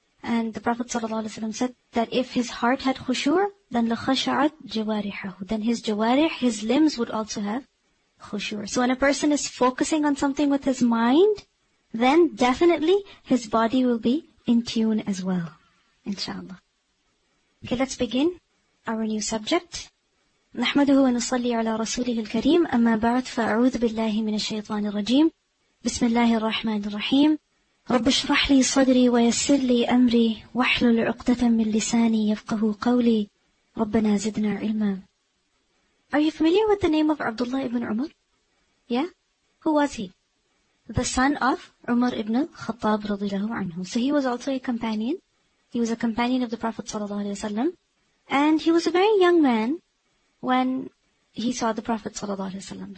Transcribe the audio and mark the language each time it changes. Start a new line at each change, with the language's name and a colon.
English: And the Prophet ﷺ said that if his heart had khushur, then
Arabic: لَخَشَعَتْ جَوَارِحَهُ,
English: then his jawarih, his limbs would also have khushur. So when a person is focusing on something with his mind, then definitely his body will be in tune as well. Inshallah. Okay, let's begin our new subject.
Arabic: نحمده ونصلي على رسوله الكريم أما بعد فأعوذ بالله من الشيطان الرجيم بسم الله الرحمن الرحيم رب اشرح لي صدري ويسر لي أمري واحلل عقدة من لساني يفقه قولي ربنا زدنا علما.
English: Are you familiar with the name of Abdullah ibn Umar? Yeah? Who was he? The son of Umar ibn Khattab رضي الله عنه. So he was also a companion. He was a companion of the Prophet صلى الله عليه وسلم. And he was a very young man when he saw the Prophet ﷺ.